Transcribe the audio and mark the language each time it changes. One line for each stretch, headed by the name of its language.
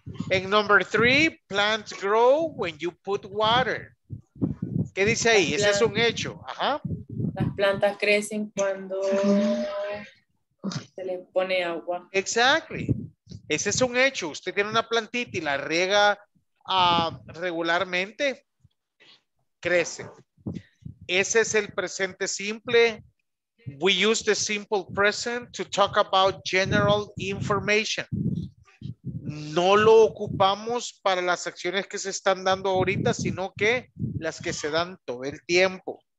English: En number three, plants grow when you put water.
Spanish: ¿Qué dice ahí? Ese es un hecho. Ajá. Las plantas crecen cuando se le pone agua. Exactly. Ese es un hecho. Usted tiene una plantita y la riega regularmente, crece. Ese es el presente simple.
English: We use the simple present to talk about general information.
Spanish: No lo ocupamos para las acciones que se están dando ahorita, sino que las que se dan todo el tiempo.